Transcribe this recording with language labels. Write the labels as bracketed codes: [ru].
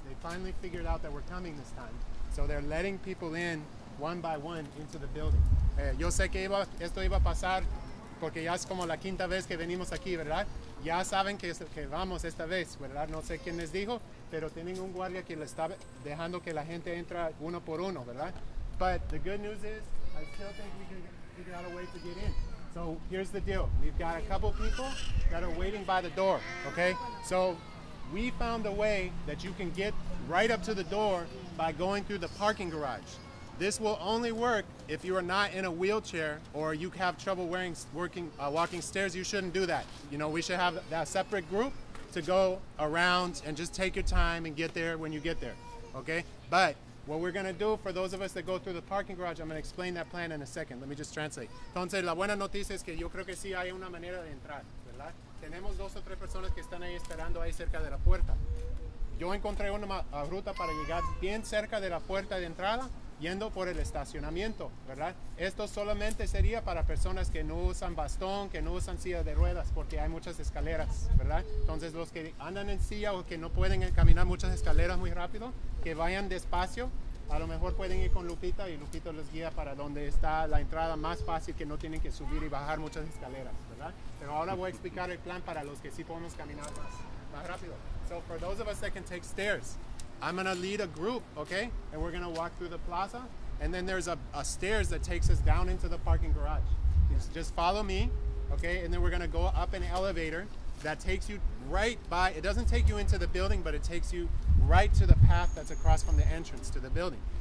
[en] They finally figured out that we're coming this time. So they're letting people in one by one into the building. [es] Yo sé que esto iba a pasar porque ya es como la quinta vez que venimos aquí, ¿verdad? Ya saben que vamos esta vez, ¿verdad? No sé quién les dijo, pero tienen un guardia que le está dejando que la gente entra uno por uno, ¿verdad? [en] But the good news is, I still think we can figure out a way to get in. So here's the deal. We've got a couple people that are waiting by the door, okay? So we found a way that you can get right up to the door by going through the parking garage. This will only work if you are not in a wheelchair or you have trouble walking stairs. You shouldn't do that. You know, we should have that separate group to go around and just take your time and get there when you get there, okay? But what we're going to do for those of us that go through the parking garage, I'm going to explain that plan in a second. Let me just translate. [es] Entonces, la buena noticia es que yo creo que sí hay una manera de entrar, ¿verdad? Tenemos dos o tres personas que están ahí esperando ahí cerca de la puerta. Yo encontré una ruta para llegar bien cerca de la puerta de entrada yendo por el estacionamiento, ¿verdad? Esto solamente sería para personas que no usan bastón, que no usan silla de ruedas, porque hay muchas escaleras, ¿verdad? Entonces, los que andan en silla o que no pueden caminar muchas escaleras muy rápido, que vayan despacio. A lo mejor pueden ir con Lupita y Lupita los guía para donde está la entrada más fácil, que no tienen que subir y bajar muchas escaleras, ¿verdad? Pero ahora voy a explicar el plan para los que sí podemos caminar más rápido. [en] So for those of us that can take stairs, I'm going to lead a group, okay? And we're going to walk through the plaza. And then there's a stairs that takes us down into the parking garage. Just follow me, okay? And then we're going to go up an elevator that takes you right by, it doesn't take you into the building, but it takes you right to the path that's across from the entrance to the building.